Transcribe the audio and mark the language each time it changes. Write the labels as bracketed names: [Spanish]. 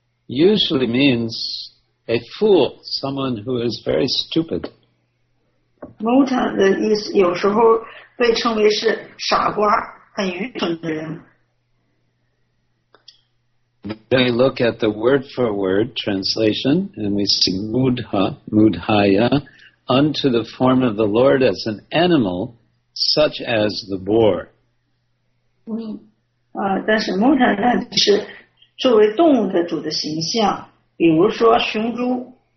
[English] Usually means a fool, someone who is very stupid. [Chinese] Mudha 的意思有时候被称为是傻瓜，很愚蠢的人。 [English] Then we look at the word for word translation, and we see mudhaya unto the form of the Lord as an animal, such as the boar. [Chinese] 但是 mudha 是作为动物的主的形象，比如说雄猪。